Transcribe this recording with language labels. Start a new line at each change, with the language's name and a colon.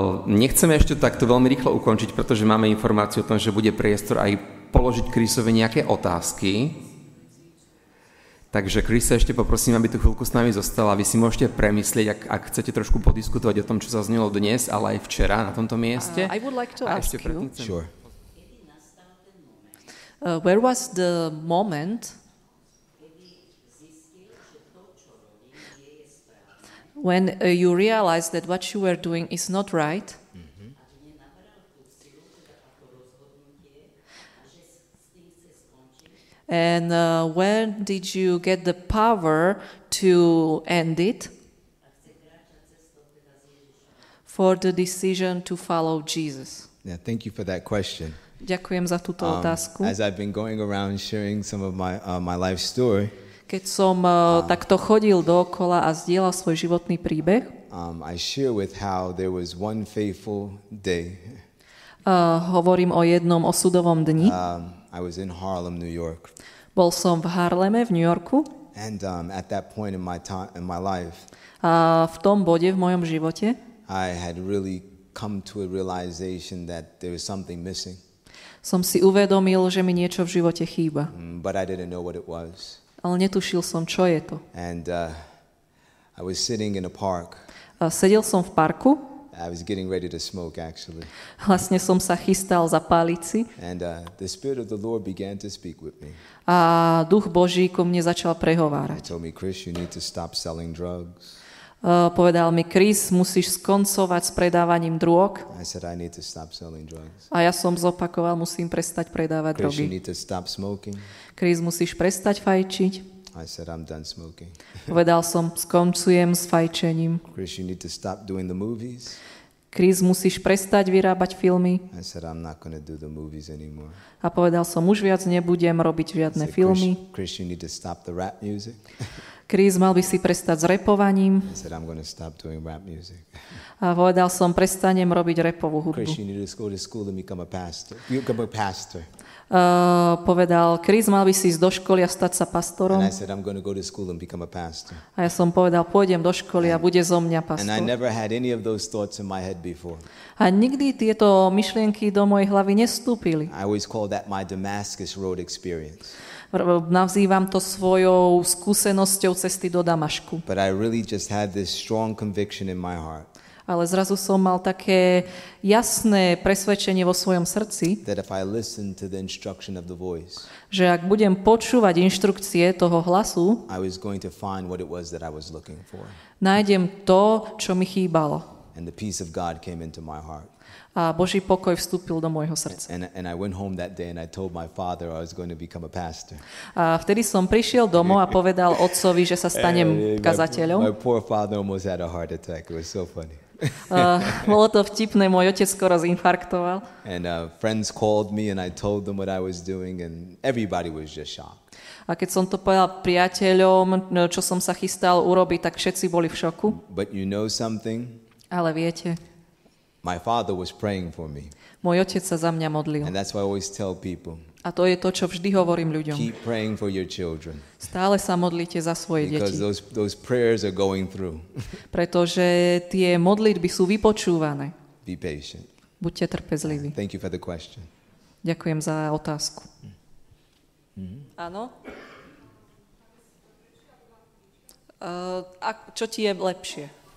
Slovak: Nechceme ešte takto veľmi rýchlo ukončiť, pretože máme informáciu o tom, že bude priestor aj položiť Chrisovi nejaké otázky. Takže Chris, ešte poprosím, aby tu chvíľku s nami zostala. Vy si môžete premyslieť, ak chcete trošku podiskutovať o tom, čo sa znelo dnes, ale aj včera na tomto mieste.
English: I would like to a ask you. Sure. Where was the moment when you realized that what you were doing is not right? And when did you get the power to end it for the decision to follow Jesus? Yeah, thank you for that question.
Slovak: Ďakujem za túto otázku.
English: As I've been going around sharing some of my life story,
Slovak: keď som takto chodil dookola a zdieľal svoj životný príbeh,
English: I share with how there was one faithful day.
Slovak: Hovorím o jednom osudovom dni.
English: I was in Harlem, New York.
Slovak: Bol som v Harleme, v New Yorku.
English: And at that point in my time in my life.
Slovak: A v tom bode v mojom živote.
English: I had really come to a realization that there was something missing.
Slovak: som si uvedomil, že mi niečo v živote chýba.
English: But I didn't know what it was.
Slovak: Ale netušil som, čo je to.
English: And I was sitting in a park.
Slovak: Sedel som v parku.
English: I was getting ready to smoke actually.
Slovak: Vlastne som sa chystal zapáliť si.
English: And the spirit of the Lord began to speak with me.
Slovak: A Duch Boží ku mne začal prehovárať.
English: He told me, Chris, you need to stop selling drugs.
Slovak: Povedal mi, Chris, musíš skoncovať s predávaním drog.
English: I said, I need to stop selling drugs.
Slovak: A ja som zopakoval, musím prestať predávať
English: Chris,
Slovak: drogy.
English: You need to stop smoking.
Slovak: Chris, musíš prestať fajčiť.
English: I said, I'm done smoking.
Slovak: Povedal som, skoncujem s fajčením.
English: Chris, you need to stop doing the movies.
Slovak: Chris, musíš prestať vyrábať filmy.
English: I said, I'm not gonna do the movies anymore.
Slovak: A povedal som, už viac nebudem robiť žiadne filmy.
English: Chris, you need to stop the rap music.
Slovak: Chris, mal by si prestať s rapovaním.
English: I said, I'm gonna stop doing rap music.
Slovak: A povedal som, prestanem robiť rapovú hudbu.
English: Chris, you need to go to school and become a pastor. You become a pastor.
Slovak: Povedal, Chris, mal by si ísť do školy a stať sa pastorom.
English: And I said, I'm gonna go to school and become a pastor.
Slovak: A ja som povedal, pôjdem do školy a bude zo mňa pastor.
English: And I never had any of those thoughts in my head before.
Slovak: A nikdy tieto myšlienky do mojej hlavy nestúpili.
English: I always call that my Damascus Road experience.
Slovak: Nazývam to svojou skúsenosťou cesty do Damašku.
English: But I really just had this strong conviction in my heart.
Slovak: Ale zrazu som mal také jasné presvedčenie vo svojom srdci,
English: that if I listen to the instruction of the voice,
Slovak: že ak budem počúvať inštrukcie toho hlasu,
English: I was going to find what it was that I was looking for.
Slovak: Nájdem to, čo mi chýbalo.
English: And the peace of God came into my heart.
Slovak: A Boží pokoj vstúpil do môjho srdca.
English: And I went home that day and I told my father I was going to become a pastor.
Slovak: A vtedy som prišiel domov a povedal otcovi, že sa stanem kazateľom.
English: My poor father almost had a heart attack. It was so funny.
Slovak: Bolo to vtipné, môj otec skoro zinfarktoval.
English: And friends called me and I told them what I was doing and everybody was just shocked.
Slovak: A keď som to povedal priateľom, čo som sa chystal urobiť, tak všetci boli v šoku.
English: But you know something?
Slovak: Ale viete?
English: My father was praying for me.
Slovak: Môj otec sa za mňa modlil.
English: And that's why I always tell people.
Slovak: A to je to, čo vždy hovorím ľuďom.
English: Keep praying for your children.
Slovak: Stále sa modlite za svoje deti.
English: Because those prayers are going through.
Slovak: Pretože tie modlitby sú vypočúvané.
English: Be patient.
Slovak: Buďte trpezliví.
English: Thank you for the question.
Slovak: Ďakujem za otázku. Mm-hmm. Áno? A čo ti je lepšie?